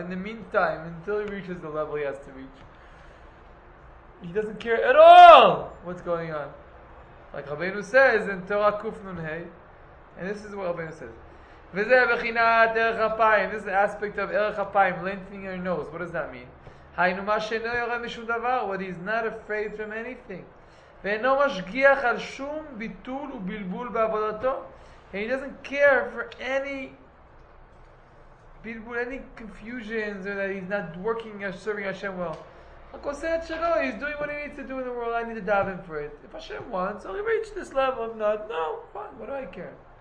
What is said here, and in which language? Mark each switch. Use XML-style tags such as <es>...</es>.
<en>In the meantime, until he reaches the level he has to reach, he doesn't care at all what's going on. Like Rabbeinu says in Torah Kuf Nun Hei, and this is what Rabbeinu says.</en> <he>V'zeh bechinat erech hapayim.</he> <en>This is the aspect of erech hapayim, lengthening your nose. What does that mean?</en> <he>היינו מה שאינו יורא משום דבר,</he> <en>what is not afraid from anything.</en> <he>ואינו משגיח על שום ביטול ובלבול בעבודתו.</he> <en>And he doesn't care for any bilbul, any confusions, or that he's not working or serving Hashem well. He's doing what he needs to do in the world. I need to daven for it. If Hashem wants, I'll reach this level. If not, no, fine, what do I care?</en>